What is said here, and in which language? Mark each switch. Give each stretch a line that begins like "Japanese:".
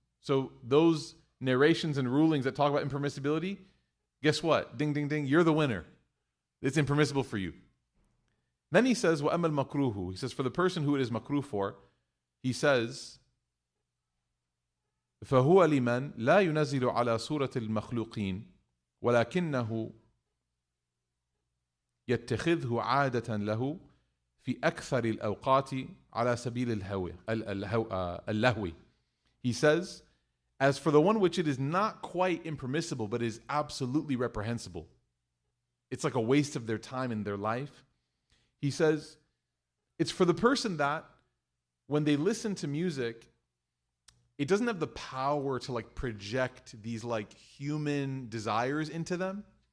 English: So those narrations and rulings that talk about impermissibility, guess what? Ding, ding, ding. You're the winner. It's impermissible for you. Then he says,
Arabic: وَأَمَّا الْمَكْرُوهُ.
English: He says, for the person who it is makruh for, he says,
Arabic: فَهُوَ لِمَنْ لَا يُنَزِّلُ عَلَى سُورَةِ الْمَخْلُوقِينَ ولكنه يتخذه عادة له في أكثر الأوقات على سبيل اللهو.
English: He says, as for the one which it is not quite impermissible, but is absolutely reprehensible, it's like a waste of their time in their life. He says, it's for the person that when they listen to music, it doesn't have the power to like project these like human desires into them.